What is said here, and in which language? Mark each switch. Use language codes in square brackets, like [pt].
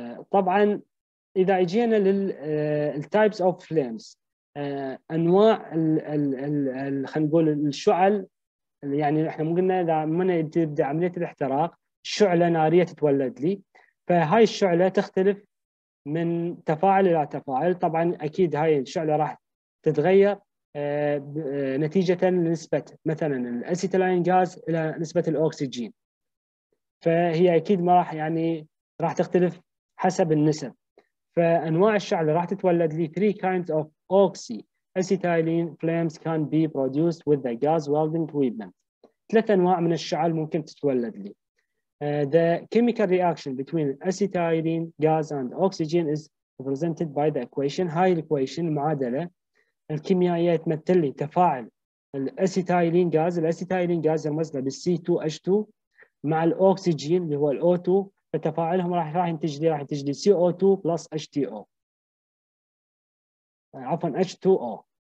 [ar] طبعا اذا اجينا للتايبس اوف فليمز، انواع خلينا نقول الشعل، يعني احنا مو قلنا اذا من تبدا عمليه الاحتراق شعله ناريه تتولد لي، فهاي الشعله تختلف من تفاعل الى تفاعل. طبعا اكيد هاي الشعله راح تتغير نتيجه لنسبه مثلا الاسيتيلين غاز الى نسبه الاكسجين، فهي اكيد ما راح يعني راح تختلف حسب النسب. فانواع الشعله راح تتولد لي [en] three kinds of oxy acetylene flames can be produced with the gas welding equipment. [ar] ثلاث انواع من الشعل ممكن تتولد لي. [en] The chemical reaction between acetylene gas and oxygen is represented by the equation, [ar] هاي الإكويشن المعادلة الكيميائية تمثل لي تفاعل الأسيتايلين غاز، الأسيتايلين غاز يرمز له بالـ C2H2 مع الأكسجين اللي هو الـ O2، فتفاعلهم راح ينتج لي، راح ينتج لي CO2 بلس HTO، عفوا H2O.